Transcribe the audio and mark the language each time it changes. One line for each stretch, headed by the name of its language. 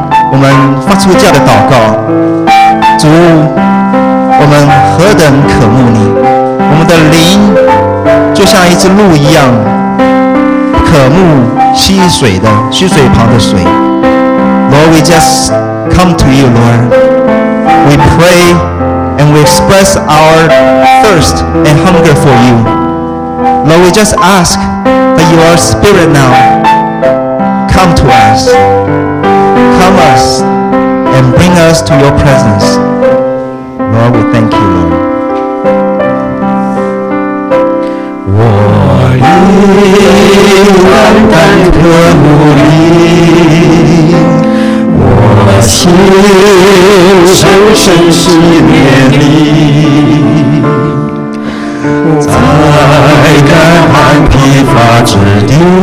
Chinese: 我们发出这样的祷告，主，我们何等渴慕你。我们的灵就像一只鹿一样，渴慕溪水的溪水旁的水。
English: Lord, we just come to you, Lord. We pray and we express our thirst and hunger for you. Lord, we just ask that your spirit now come to us. Come us and bring us to your presence. Lord, we thank you, Lord.
Chinese: 我已万般渴慕你，心深深思念你，在干旱疲乏之地，